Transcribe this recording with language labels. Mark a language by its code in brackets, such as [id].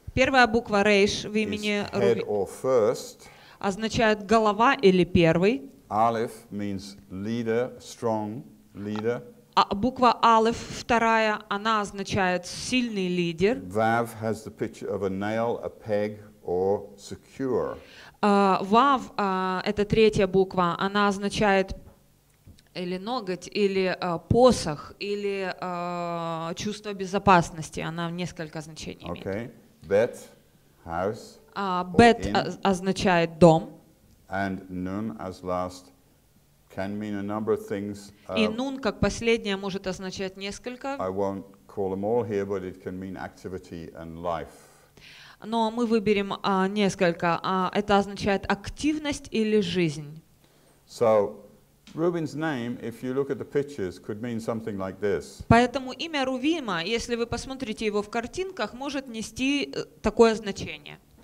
[ru] Первая буква resh в имени [en] head or first. [ru] Означает голова или первый. [en] Aleph means leader, strong leader. [ru] Буква aleph вторая, она означает сильный лидер. [en] Vav has the picture of a nail, a peg or secure. [ru] Vav это третья буква, она означает или ноготь, или посох, или чувство безопасности. Она в несколько значений [en] okay. [ru] имеет. [en] Bet, house, [ru] bet означает дом. [en] And nun as last can mean a number of things. [ru] И nun как последнее может означать несколько. [en] I won't call them all here, but it can mean activity and life. [ru] Но мы выберем несколько. Это означает активность или жизнь. [en] So, Reuben's name, if you look at the pictures, could mean something like this. [ru] Поэтому имя Рувима, если вы посмотрите его в картинках, может нести такое значение.